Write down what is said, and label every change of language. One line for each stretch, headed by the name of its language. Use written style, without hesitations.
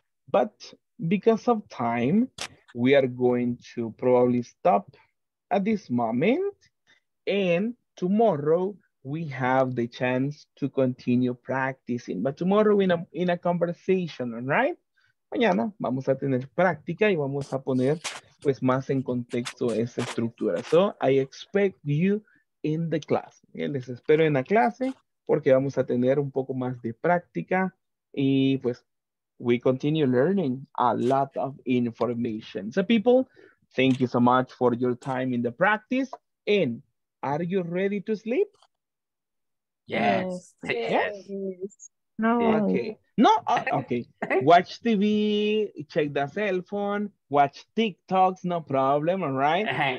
English: But because of time, we are going to probably stop at this moment. And tomorrow, we have the chance to continue practicing. But tomorrow in a conversation, right?
Spanish: mañana vamos a tener práctica y vamos a poner pues más en contexto esa estructura.
English: So, I expect you in the class.
Spanish: Bien, les espero en la clase porque vamos a tener un poco más de práctica y pues
English: we continue learning a lot of information. So, people, thank you so much for your time in the practice. And are you ready to sleep? Yes. Yes. No. Okay. No. Okay. Watch TV, check the cell phone, watch TikToks, no problem. All right.